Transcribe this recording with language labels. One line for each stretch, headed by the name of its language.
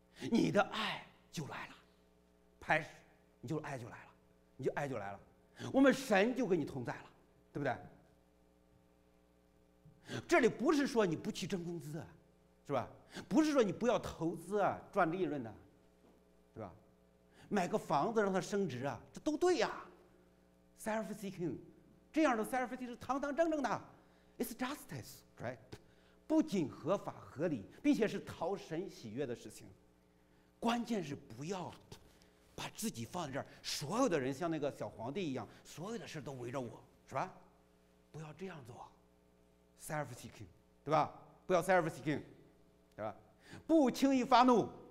Chinese: 你的爱就来了，开始，你就爱就来了，你就爱就来了。我们神就跟你同在了，对不对？这里不是说你不去挣工资，是吧？不是说你不要投资啊，赚利润的，对吧？买个房子让它升值啊，这都对呀。
English: Self seeking，
Chinese: 这样的
English: self seeking
Chinese: 是堂堂正正的
English: ，it's justice， right？
Chinese: 不仅合法合理，并且是讨神喜悦的事情。关键是不要。把自己放在这儿，所有的人像那个小皇帝一样，所有的事都围着我，是吧？不要这样做 ，
English: self seeking，
Chinese: 对吧？不要 self seeking， 对吧？不轻易发怒，